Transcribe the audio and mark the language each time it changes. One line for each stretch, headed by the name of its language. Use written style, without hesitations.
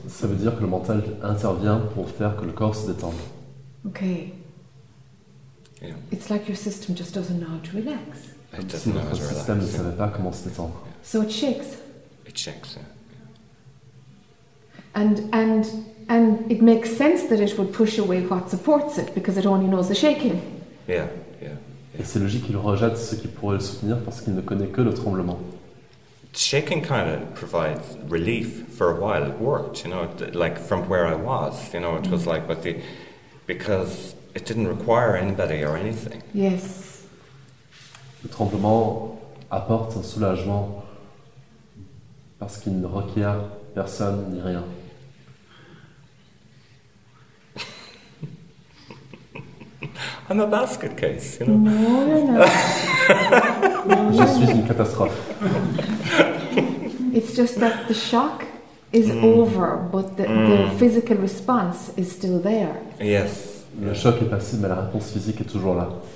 French: Ça veut dire que le mental intervient pour faire que le corps se détende.
English: Okay. Yeah. It's like your system just doesn't know how to relax. It doesn't know how to relax.
French: Votre système ne savait pas comment se détendre.
English: So it shakes. It shakes. And it makes sense that it would push away what supports it because it only knows the shaking. Yeah.
French: Et c'est logique qu'il rejette ce qui pourrait le soutenir parce qu'il ne connaît que le tremblement.
English: Shaking kind of provides relief for a while. It worked, you know, like from where I was, you know, it was like, but the because it didn't require anybody or anything. Yes.
French: Le tremblement apporte un soulagement parce qu'il ne requiert personne ni rien.
English: I'm a basket case, you know. No.
French: Je suis une catastrophe.
English: It's just that the shock is over, but the physical response is still there. Yes.
French: Le choc est passé, mais la réponse physique est toujours là.